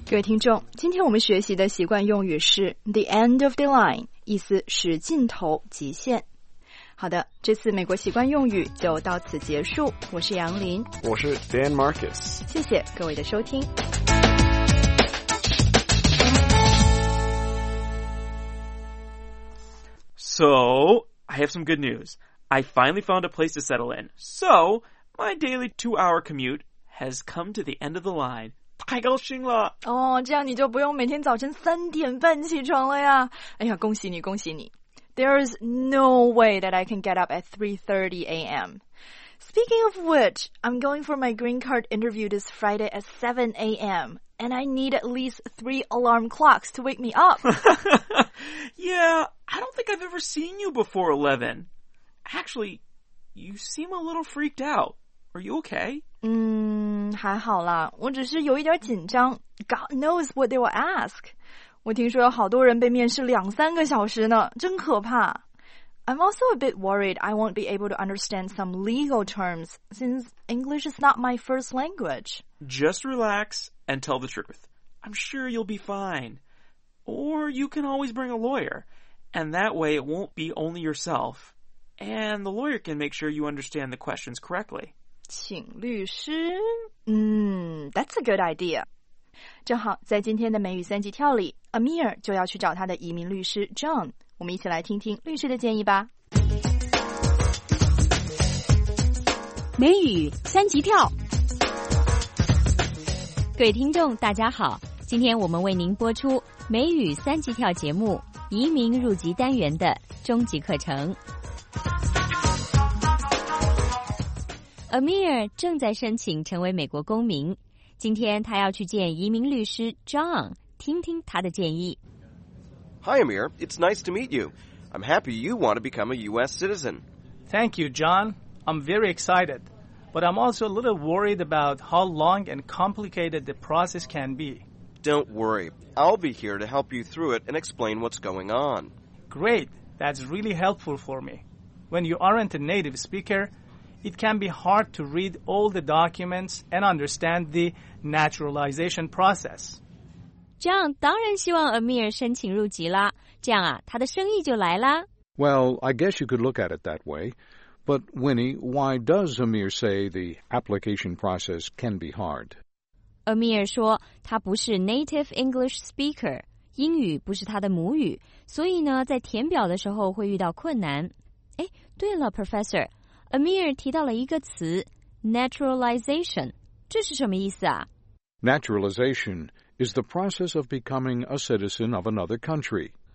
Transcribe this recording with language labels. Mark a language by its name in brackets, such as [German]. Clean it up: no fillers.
[Chinese] 各位听众，今天我们学习的习惯用语是 [English] the end of the line, [Chinese] 意思是尽头极限。好的，这次美国习惯用语就到此结束。我是杨林，我是 Dan Marcus。谢谢各位的收听。 [English] So, I have some good news. I finally found a place to settle in. So, my daily 2-hour commute has come to the end of the line. [Chinese] 太高兴了！哦，这样你就不用每天早晨3:30起床了呀。哎呀，恭喜你，恭喜你。 [English] There is no way that I can get up at 3:30 a.m. Speaking of which, I'm going for my green card interview this Friday at 7 a.m. And I need at least 3 alarm clocks to wake me up. Yeah, I don't think I've ever seen you before 11. Actually, you seem a little freaked out. Are you okay? [Chinese] 还好啦，我只是有一点紧张。 [English] God knows what they will ask. [Chinese] 我听说有好多人被面试2-3个小时呢，真可怕。 [English] I'm also a bit worried I won't be able to understand some legal terms since English is not my first language. Just relax and tell the truth. I'm sure you'll be fine. Or you can always bring a lawyer. And that way it won't be only yourself. And the lawyer can make sure you understand the questions correctly. [Chinese] 请律师？ [English] That's a good idea. [Chinese] 正好在今天的美语三级跳里 ，Amir 就要去找他的移民律师 John。我们一起来听听律师的建议吧。美语三级跳，各位听众大家好，今天我们为您播出美语三级跳节目移民入籍单元的终极课程。 Amir 正在申请成为美国公民。今天他要去见移民律师 John， 听听他的建议。 [English] Hi Amir, it's nice to meet you. I'm happy you want to become a U.S. citizen. Thank you, John. I'm very excited, but I'm also a little worried about how long and complicated the process can be. Don't worry, I'll be here to help you through it and explain what's going on. Great, that's really helpful for me. When you aren't a native speaker, it can be hard to read all the documents and understand the naturalization process. [Chinese] 这样当然希望 Amir 申请入籍啦，这样啊，他的生意就来啦。 [English] Well, I guess you could look at it that way. But Winnie, why does Amir say the application process can be hard? [Chinese] Amir 说他不是 [English] native English speaker, [Chinese] 英语不是他的母语，所以呢，在填表的时候会遇到困难。哎，对了 ,Professor, Amir 提到了一个词 ,naturalization, 这是什么意思啊？ [English] Naturalization is the process of becoming a citizen of another country.